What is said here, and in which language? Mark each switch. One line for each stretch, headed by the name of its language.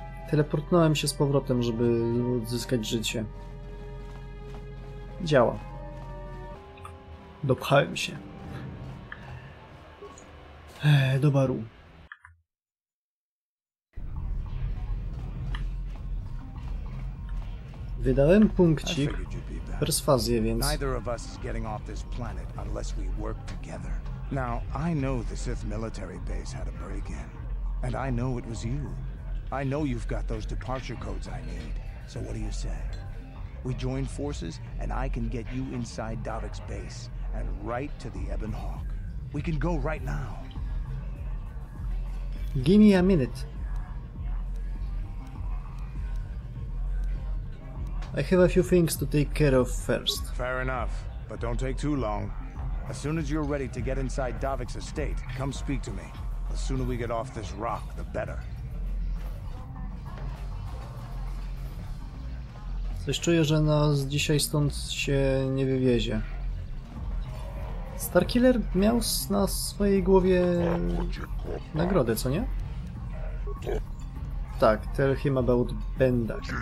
Polish: Teleportnąłem się z powrotem, żeby odzyskać życie. Działa. Dopchałem się. Do baru. Wydałem punkcik, perswazję, więc...
English: Neither of us is getting off this planet unless we work together. Now, I know the Sith military base had a break-in. And I know it was you. I know you've got those departure codes I need. So what do you say? We join forces and I can get you inside Davik's base and right to the Ebon Hawk. We can go right now. Give me a minute. I have a few things to take care of first. Fair enough, but don't take too long. As soon as you're ready to get inside Davik's estate, come speak to me. The sooner we get off this rock, the better.
Polish: Coś czuję, że nas dzisiaj stąd się nie wywiezie. Starkiller miał na swojej głowie nagrodę, co nie? Tak, tell him about Bendak.